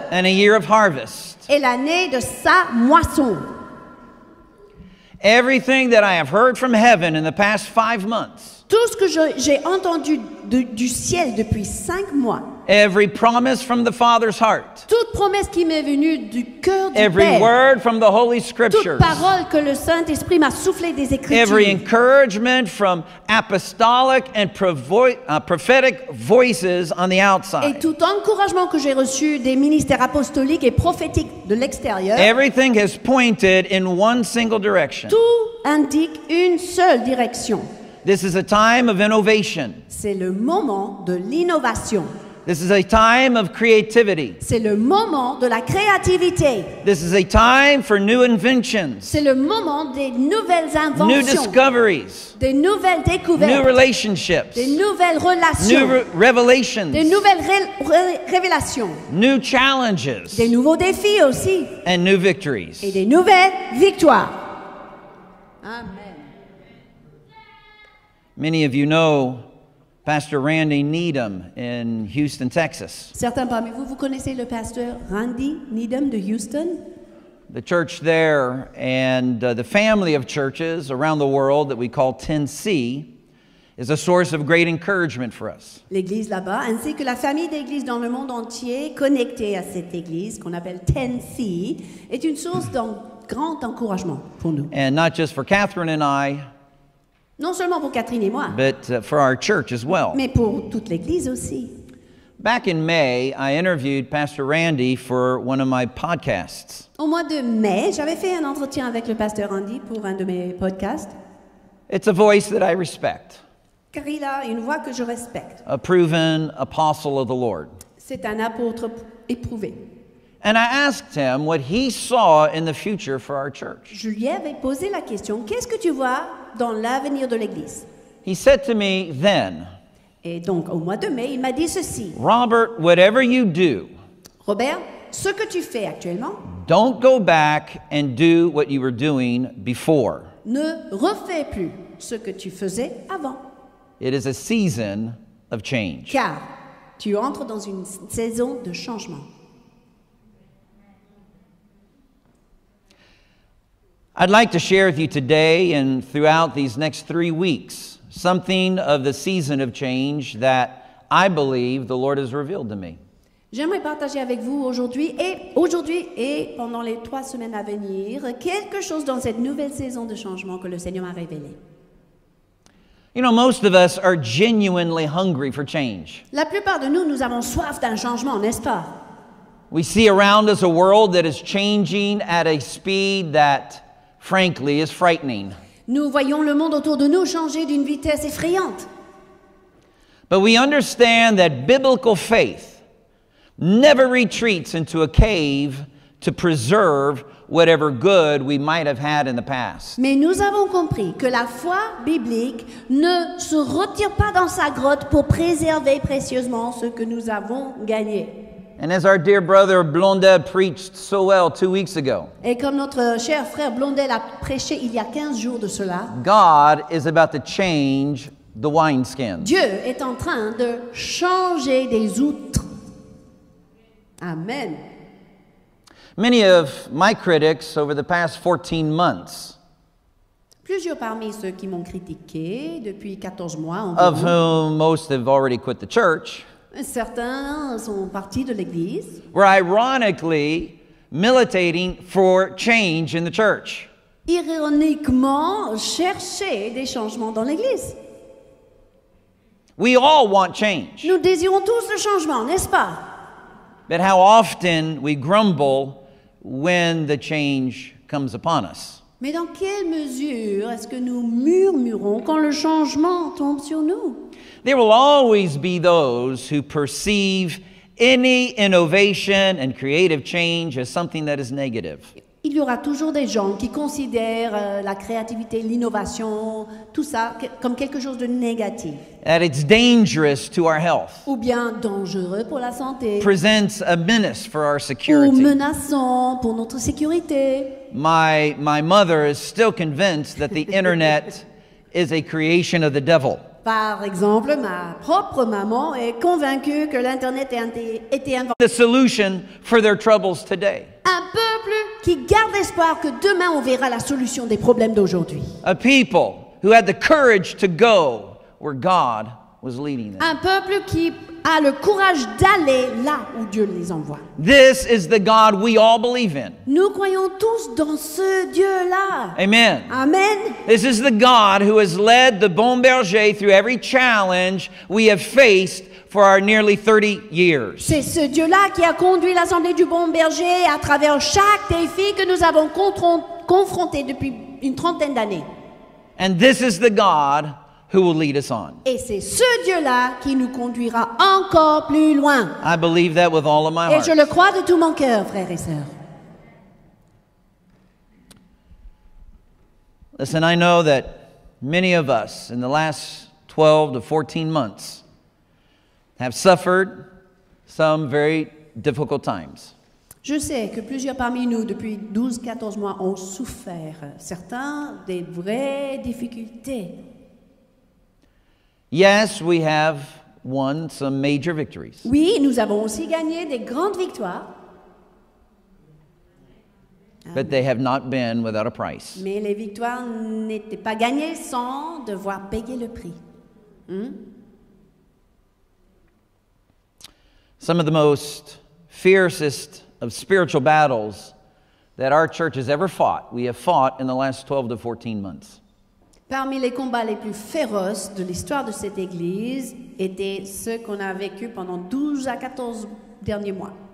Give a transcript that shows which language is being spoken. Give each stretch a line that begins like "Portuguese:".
English: And a year of harvest.
French: Et l'année de sa moisson.
English: Everything that I have heard from heaven in the past 5 months.
French: Tout ce que j'ai entendu du ciel depuis 5 mois.
English: Every promise from the Father's heart.
French: Toute promesse qui m'est venue du cœur du Père.
English: Every word from the Holy Scriptures.
French: Toute parole que le Saint-Esprit m'a soufflé des Écritures.
English: Every encouragement from apostolic and prophetic voices on the outside.
French: Et tout encouragement que j'ai reçu des ministères apostoliques et prophétiques de l'extérieur.
English: Everything has pointed in one single direction.
French: Tout indique une seule direction.
English: This is a time of innovation.
French: C'est le moment de l'innovation.
English: This is a time of creativity.
French: C'est le moment de la créativité.
English: This is a time for new inventions.
French: C'est le moment des nouvelles inventions.
English: New discoveries.
French: Des nouvelles découvertes.
English: New relationships.
French: Des nouvelles relations.
English: New revelations.
French: Des nouvelles révélations.
English: New challenges.
French: Des nouveaux défis aussi.
English: And new victories.
French: Et des nouvelles victoires.
English: Amen. Many of you know Pastor Randy Needham in Houston, Texas.
French: Certains parmi vous, vous connaissez le pasteur Randy Needham de Houston.
English: The church there and the family of churches around the world that we call 10C is a source of great encouragement for us.
French: L'église là-bas ainsi que la famille d'églises dans le monde entier connectée à cette église qu'on appelle 10C est une source d'un grand encouragement pour nous.
English: And not just for Kathryn and I.
French: Non seulement pour Catherine et moi,
English: but for our church as well.
French: Mais pour toute l'église aussi.
English: Back in May, I interviewed Pastor Randy for one of my podcasts.
French: Au mois de mai, j'avais fait un entretien avec le pasteur Randy pour un de mes podcasts.
English: It's a voice that I respect.
French: Car il a une voix que je respecte.
English: A proven apostle of the Lord.
French: C'est un apôtre éprouvé.
English: And I asked him what he saw in the future for our church.
French: Je lui avais posé la question, qu'est-ce que tu vois dans l'avenir de l'église?
English: He said to me then.
French: Et donc au mois de mai, il m'a dit ceci.
English: Robert, whatever you do.
French: Robert, ce que tu fais actuellement.
English: Don't go back and do what you were doing before.
French: Ne refais plus ce que tu faisais avant.
English: It is a season of change.
French: Car tu entres dans une saison de changement.
English: I'd like to share with you today and throughout these next 3 weeks something of the season of change that I believe the Lord has revealed to me.
French: J'aimerais partager avec vous aujourd'hui et pendant les 3 semaines à venir quelque chose dans cette nouvelle saison de changement que le Seigneur m'a révélé.
English: You know, most of us are genuinely hungry for change.
French: La plupart de nous avons soif d'un changement, n'est-ce pas?
English: We see around us a world that is changing at a speed that frankly, is frightening.
French: Nous voyons le monde autour de nous changer d'une vitesse effrayante.
English: But we understand that biblical faith never retreats into a cave to preserve whatever good we might have had in the past.
French: Mais nous avons compris que la foi biblique ne se retire pas dans sa grotte pour préserver précieusement ce que nous avons gagné.
English: And as our dear brother Blondel preached so well 2 weeks ago.
French: Et comme notre cher frère Blondel a prêché il y a 15 jours de cela.
English: God is about to change the wineskins.
French: Dieu est en train de changer des outres.
English: Amen. Many of my critics over the past 14 months.
French: Plusieurs parmi ceux qui m'ont critiqué depuis 14 mois environ.
English: Of whom most have already quit the church.
French: Certains sont partis de l'église.
English: Were ironically militating for change in the church.
French: Ironiquement, chercher des changements dans l'église.
English: We all want change.
French: Nous désirons tous le changement, n'est-ce pas?
English: But how often we grumble when the change comes upon us.
French: Mais dans quelle mesure est-ce que nous murmurons quand le changement tombe sur nous?
English: There will always be those who perceive any innovation and creative change as something that is negative.
French: Il y aura toujours des gens qui considèrent la créativité, l'innovation, tout ça comme quelque chose de négatif.
English: That it's dangerous to our health.
French: Ou bien dangereux pour la santé.
English: Presents a menace for our security.
French: Ou menaçant pour notre sécurité.
English: My mother is still convinced that the internet is a creation of the devil.
French: Par exemple, ma propre maman est convaincue que l'internet était inventé.
English: The solution for their troubles today.
French: Un peuple qui garde espoir que demain on verra la solution des problèmes d'aujourd'hui.
English: A people who had the courage to go where God was leading them.
French: Un peuple qui a le courage d'aller là où Dieu les envoie.
English: This is the God we all believe in.
French: Nous croyons tous dans ce Dieu-là.
English: Amen. Amen. This is the God who has led the Bon Berger through every challenge we have faced for our nearly 30 years.
French: C'est ce Dieu-là qui a conduit l'assemblée du Bon Berger à travers chaque défi que nous avons confronté depuis une trentaine d'années.
English: And this is the God who will lead us on.
French: Et c'est ce Dieu-là qui nous conduira encore plus loin.
English: I believe that with all of my heart.
French: Et je le crois de tout mon cœur, frères et sœurs.
English: Listen, I know that many of us in the last 12 to 14 months have suffered some very difficult times.
French: Je sais que plusieurs parmi nous depuis 12-14 mois ont souffert certains des vraies difficultés.
English: Yes, we have won some major victories.
French: Oui, nous avons aussi gagné des grandes victoires.
English: But they have not been without a price.
French: Mais les victoires n'étaient pas gagnées sans devoir payer le prix.
English: Some of the most fiercest of spiritual battles that our church has ever fought, we have fought in the last 12 to 14 months.
French: Parmi les combats les plus féroces de l'histoire de cette Église étaient ceux qu'on a vécu pendant 12 à 14 derniers mois.